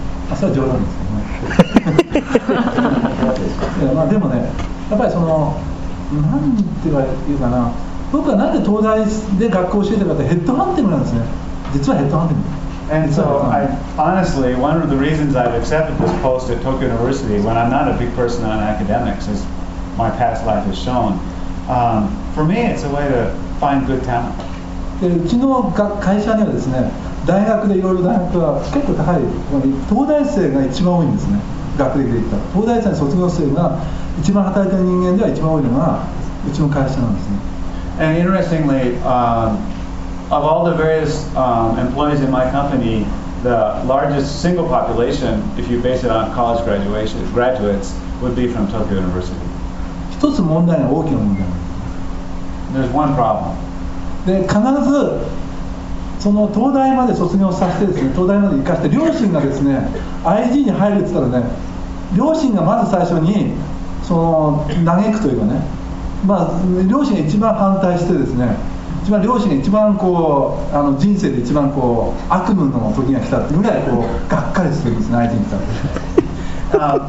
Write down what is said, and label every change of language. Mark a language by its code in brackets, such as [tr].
[ja] あ、それは冗談ですけどね。いや、まあ、でもね、やっぱりその、なんて言うかな、僕はなんで東大で学校を教えてるかってヘッドハンティングなんですね。実はヘッドハンティング。 [en] And so, I, honestly, one of the reasons I've accepted this post at Tokyo University, when I'm not a big person on academics, is my past life has shown. For me, it's a way to find good talent. [ja] でうちの会社にはですね、大学でいろいろ大学は結構高い、東大生が一番多いんですね、学歴でいったら。東大生の卒業生が一番働いている人間では一番多いのがうちの会社なんですね。 [en] And interestingly, of all the various employees in my company, the largest single population, if you base it on college graduation, graduates, would be from Tokyo University. [ja] 一つ問題が大きな問題なんです。 [en] There's one problem. [ja] で必ずその東大まで卒業させてですね、東大まで行かせて両親がですね、IG に入るって言ったらね、両親がまず最初にその嘆くというかね、まあ両親が一番反対してですね、一番両親が一番こうあの人生で一番こう悪夢の時が来たってぐらいこうがっかりするんですね、IG に来たら。